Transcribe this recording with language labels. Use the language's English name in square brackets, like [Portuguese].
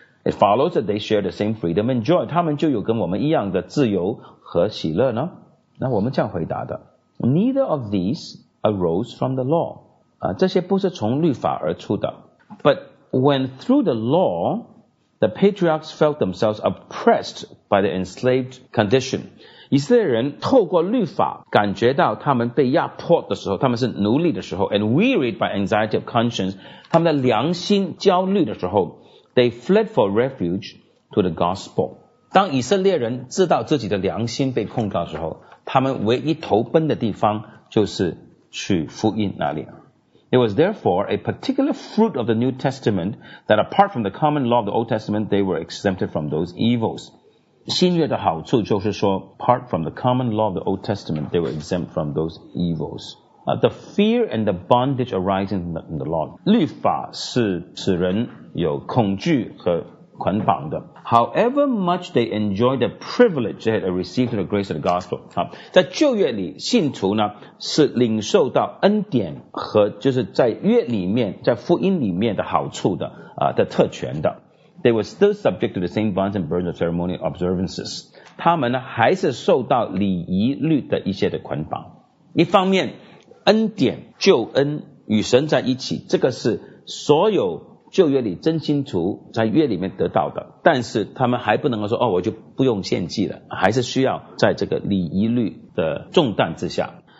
[English] It follows that they share the same freedom and joy. [Chinese] 他们就有跟我们一样的自由和喜乐呢？那我们这样回答的。 [English] Neither of these arose from the law. [Chinese] 这些不是从律法而出的。 [English] But when through the law, the patriarchs felt themselves oppressed by the enslaved condition. [Chinese] 以色列人透过律法感觉到他们被压迫的时候，他们是奴隶的时候 [English] and wearied by anxiety of conscience, [Chinese] 他们的良心焦虑的时候 [English] They fled for refuge to the gospel. [Chinese] 当以色列人知道自己的良心被控告的时候，他们唯一投奔的地方就是去福音那里。 [English] It was therefore a particular fruit of the New Testament that apart from the common law of the Old Testament, they were exempted from those evils. [Chinese] 新约的好处就是说 [English] apart from the common law of the Old Testament, they were exempt from those evils. The fear and the bondage arising from the law. [Chinese] 律法是使人有恐惧和捆绑的。 [English] However much they enjoy the privilege they had received the grace of the gospel. [Chinese] 在旧约里信徒呢是领受到恩典和就是在约里面在福音里面的好处的的特权的。 [English] They were still subject to the same bonds and burdens of ceremonial observances. [Chinese] 他们呢还是受到礼仪律的一些的捆绑。一方面恩典救恩与神在一起，这个是所有旧约里真信徒在约里面得到的，但是他们还不能够说哦，我就不用献祭了，还是需要在这个礼仪律的重担之下。